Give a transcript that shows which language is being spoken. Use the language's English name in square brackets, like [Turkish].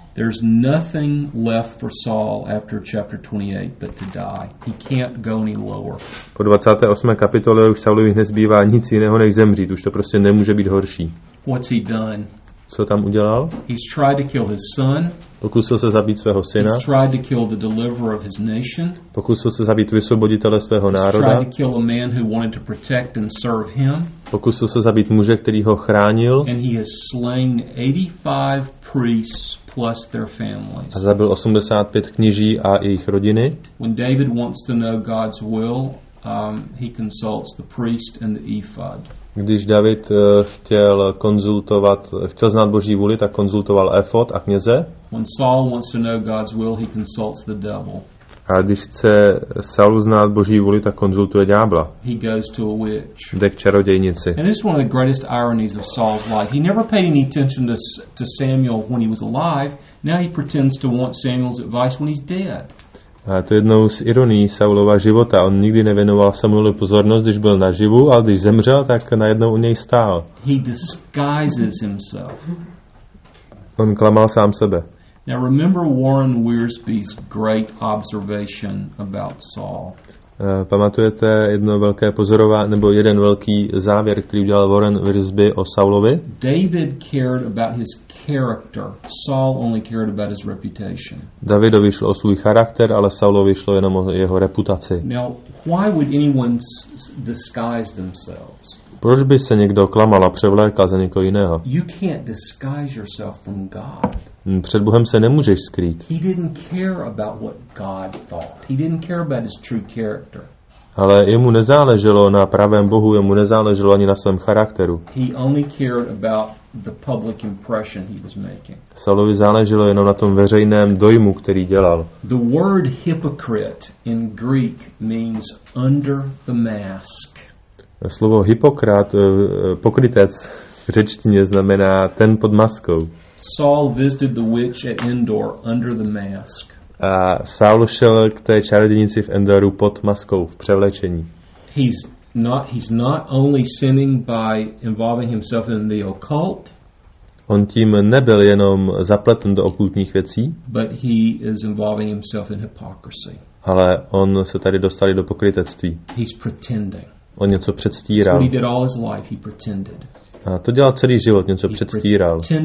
[English] There's nothing left for Saul after chapter 28 but to die. He can't go any lower. [Czech] Po 28. kapitole už Saulovi nezbývá nic jiného než zemřít, už to prostě nemůže být horší. [English] What's he done? [Czech] Co tam udělal? [English] He's tried to kill his son. [Czech] Pokusil se zabít svého syna. [English] He's tried to kill the deliverer of his nation. [Czech] Pokusil se zabít vysvoboditele svého národa. [English] He's tried to kill a man who wanted to protect and serve him. [Czech] Pokusil se zabít muže, který ho chránil. [English] And he has slain 85 priests plus their families. [Czech] A zabil 85 kněží a jejich rodiny. [English] When David wants to know God's will, he consults the priest and the ephod. [Czech] Když David chtěl konzultovat, chtěl znát Boží vůli, tak konzultoval efod a kněze. [English] When Saul wants to know God's will, he consults the devil. [Czech] A když chce Saul znát Boží vůli, tak konzultuje ďábla. [English] He goes to a witch. [Czech] Jde k čarodějnici. [English] And this is one of the greatest ironies of Saul's life. He never paid any attention to Samuel when he was alive. Now he pretends to want Samuel's advice when he's dead. [Czech] A to je jednou z ironií Saulova života. On nikdy nevěnoval Samuelu pozornost, když byl naživu, ale když zemřel, tak najednou u něj stál. [English] He disguises himself. [Czech] On klamal sám sebe. [English] Now remember Warren Wiersbe's great observation about Saul. [Czech] Pamatujete jedno velké pozorování nebo jeden velký závěr, který udělal Warren Wiersbe o Saulovi? [English] David cared about his character. Saul only cared about his reputation. [Czech] Davidovi šlo o svůj charakter, ale Saulovi šlo jenom o jeho reputaci. [English] Now, why would anyone disguise themselves? [Czech] Proč by se někdo klamal a převlékal za někoho jiného? [English] You can't disguise yourself from God. [Czech] Před Bohem se nemůžeš skrýt. [English] He didn't care about what God thought. He didn't care about his true character. [Czech] Ale jemu nezáleželo na pravém Bohu, jemu nezáleželo ani na svém charakteru. [English] He only cared about the public impression he was making. [Czech] Saulovi záleželo jenom na tom veřejném dojmu, který dělal. [English] The word hypocrite in Greek means under the mask. [Czech] Slovo hypokrat, pokrytec v řečtině znamená ten pod maskou. [English] Saul visited the witch at Endor under the mask. [Czech] A Saul šel k té čarodějnici v Endoru pod maskou, v převlečení. [English] He's not only sinning by involving himself in the occult. [Czech] On tím nebyl jenom zapleten do okultních věcí. [English] But he is involving himself in hypocrisy. [Czech] Ale on se tady dostal do pokrytectví. [English] He's pretending. [Czech] On něco předstíral. [English] He did all his life, he pretended. [Czech] A to dělal celý život, něco předstíral.